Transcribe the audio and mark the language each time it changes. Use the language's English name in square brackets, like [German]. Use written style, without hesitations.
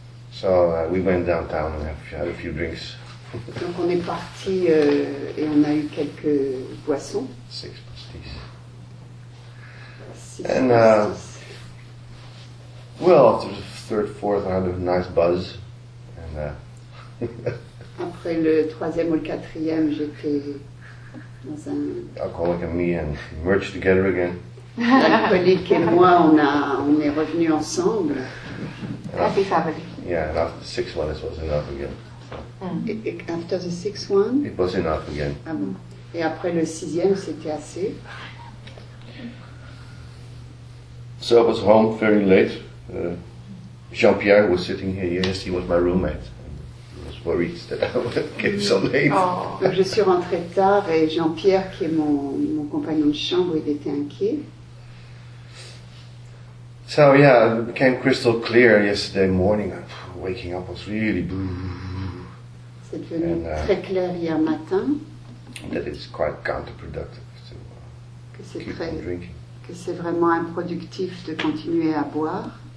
[English] So we went downtown and had a few drinks. [French] Donc on est parti et on a eu quelques boissons. [English] Six pastis. [French] Six [English] and well, after the third, fourth, I had a nice buzz. And [French] après le troisième ou le quatrième, j'étais dans un. [English] Alcoholic and me and merged together again. [French] L'alcoolique et moi, on est revenus ensemble. [English] Happy family. Yeah, and after the sixth one, it was enough again. After the sixth one? It was enough again. [French] Ah bon. Et après le sixième, c'était assez. [English] So I was home very late. Jean-Pierre was sitting here. Yes, he was my roommate. He was worried that I would get so late. Oh. [French] Donc je suis rentrée tard et Jean-Pierre, qui est mon compagnon de chambre, il était inquiet. [English] So yeah, it became crystal clear yesterday morning. Waking up was really boo. [French] C'est devenu très clair hier matin. [English] That it's quite counterproductive to keep on drinking. [French] Que c'est vraiment improductif de continuer à boire.